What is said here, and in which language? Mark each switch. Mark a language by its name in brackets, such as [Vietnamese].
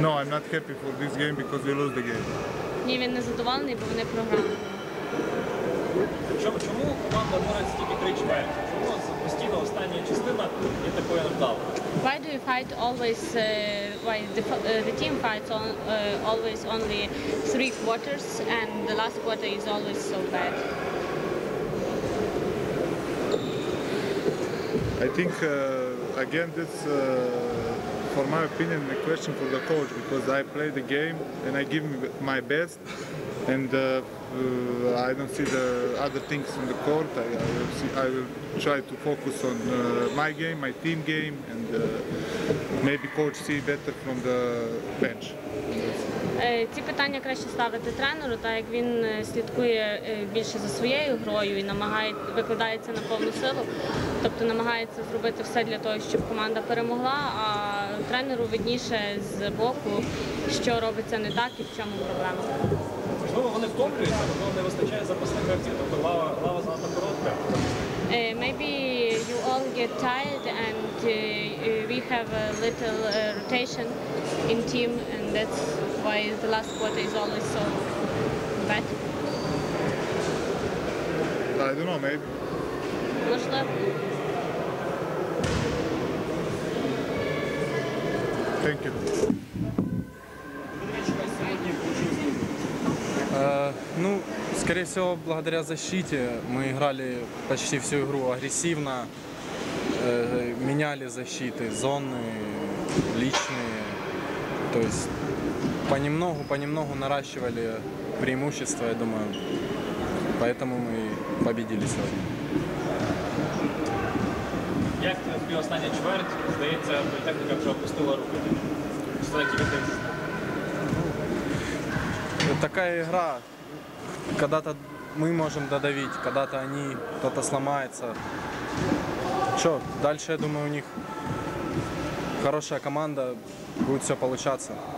[English] No, I'm not happy for this game because we lose the game. [Ukrainian] Ні, він не задоволений, бо вони програли. Чому команда бореться тільки 3-4? Чому постійно остання частина є такою невдалою? [English] Why do you fight always? Why the team fights always only 3 quarters and the last quarter is always so bad? I think again this for my opinion a question for the coach because I play the game and I give my best and I don't see the other things on the court. I will try to focus on my game, my team game, and maybe coach see better from the bench. [Ukrainian] Ці питання краще ставити тренеру, так як він слідкує більше за своєю грою і викладається на повну силу, тобто намагається зробити все для того, щоб команда перемогла, а тренеру видніше з боку, що робиться не так і в чому проблема. Можливо, вони втомлюються, можливо, не вистачає запасних гравців, тобто лава занадто коротка. [English] Maybe you all get tired and we have a little rotation in team and that's why the last quarter is always so bad. I don't know, maybe. [Ukrainian] Можливо. [English] Thank you. [Russian] Ну, скорее всего, благодаря защите мы играли почти всю игру агрессивно, меняли защиты, зоны, личные, то есть понемногу наращивали преимущество, я думаю, поэтому мы победили сегодня. [Ukrainian] Як тобі остання чверть? Здається, політехніка вже опустила руки. Стоять люди. [Russian] Такая игра, когда-то мы можем додавить, когда-то они, кто-то сломается. Что, дальше, я думаю, у них хорошая команда, будет все получаться.